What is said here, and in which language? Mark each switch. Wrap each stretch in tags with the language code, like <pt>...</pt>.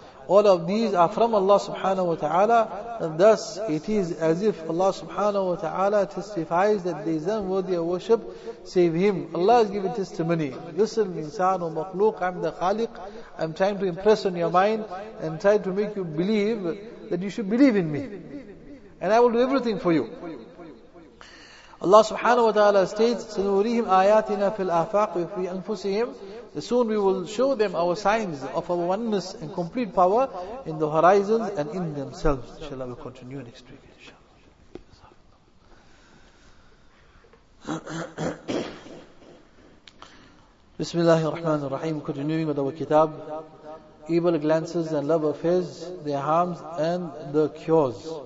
<en>All of these are from Allah subhanahu wa ta'ala, and thus it is as if Allah subhanahu wa ta'ala testifies that there is none worthy of worship save Him. Allah is giving testimony. Listen, insan wa makhluq, I'm the khaliq. I'm trying to impress on your mind and try to make you believe that you should believe in me. And I will do everything for you. Allah subhanahu wa ta'ala states,</en> <ar>سَنُورِهِمْ آيَاتِنَا فِي الْآفَاقِ وَفِي أَنفُسِهِمْ.</ar> <en>Soon we will show them our signs of our oneness and complete power in the horizons and in themselves. Inshallah, we'll continue next week. Inshallah. Bismillahir Rahmanir Rahim. Continuing with our kitab. Evil glances and love affairs, their harms and the cures.</en>